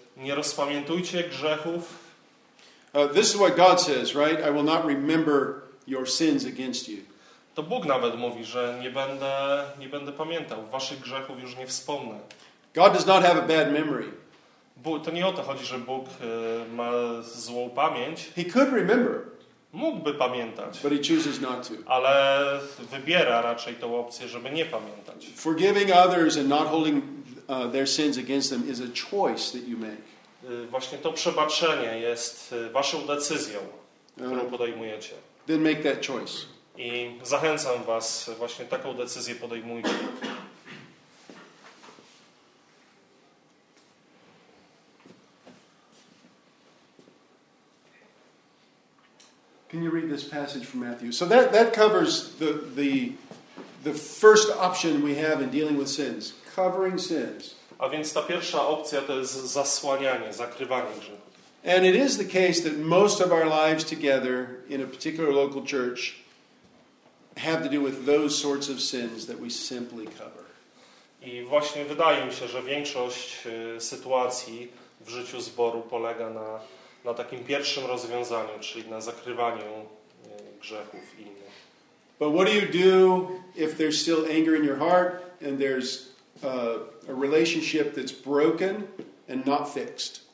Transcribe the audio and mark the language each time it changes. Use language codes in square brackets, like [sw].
[pl] Nie rozpamiętujcie grzechów. [en] This is what God says, right? I will not remember your sins against you. [pl] To Bóg nawet mówi, że nie będę pamiętał. Waszych grzechów już nie wspomnę. [en] God does not have a bad memory. [pl] To nie o to chodzi, że Bóg ma złą pamięć. [en] He could remember. [pl] Mógłby pamiętać. [en] But he chooses not to. [pl] Ale wybiera raczej tą opcję, żeby nie pamiętać. [en] Forgiving others and not holding their sins against them is a choice that you make. [pl] Właśnie to przebaczenie jest waszą decyzją, którą podejmujecie. [en] Then make that choice. [pl] I zachęcam was, właśnie taką decyzję podejmujcie. [en] Can you read this passage from Matthew? So that covers the first option we have in dealing with sins, covering sins. [pl] A więc ta pierwsza opcja to jest zasłanianie, zakrywanie grzechów. [en] And it is the case that most of our lives together in a particular local church have to do with those sorts of sins that we simply cover. [pl] I właśnie wydaje mi się, że większość sytuacji w życiu zboru polega na takim pierwszym rozwiązaniu, czyli na zakrywaniu grzechów innych. [en] But what do you do if there's still anger in your heart and there's a relationship that's broken and not fixed?